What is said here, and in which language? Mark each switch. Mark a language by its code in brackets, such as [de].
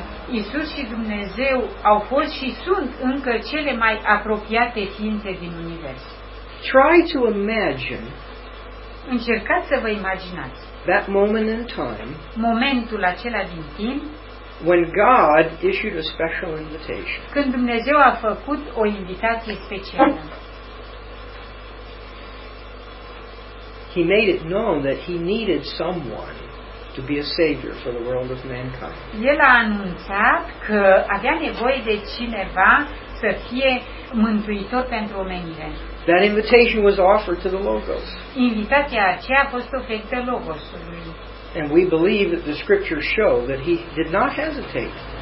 [ro] Isus și Dumnezeu au fost și sunt încă cele mai apropiate ființe din univers. [en] Try to imagine. [ro] Încercați să vă imaginați. [en] That moment in time. [ro] Momentul acela din timp. [en] When God issued a special invitation. [ro] Când Dumnezeu a făcut o invitație specială. [en] he made it known that he needed someone to be a savior for the world of mankind. [ro] El a anunțat că avea nevoie de cineva să fie mântuitor pentru omenire. [en] That invitation was offered to the Logos. [ro] Invitația aceea a fost oferită Logosului. [en] And we believe that the scriptures show that he did not hesitate.